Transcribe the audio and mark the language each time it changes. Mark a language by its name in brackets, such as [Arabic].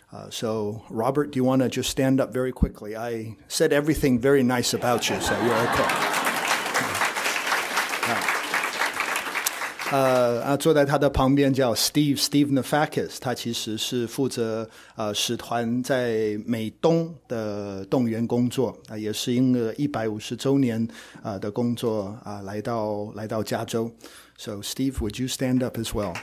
[English] So Robert, do you want to just stand up very quickly? I said everything very nice about you, so you're okay. [Chinese] 坐在他的旁边叫 Steve Nefakis, 他其实是负责使团在美东的动员工作也是因为150周年的工作来到加州。 [English] So Steve, would you stand up as well?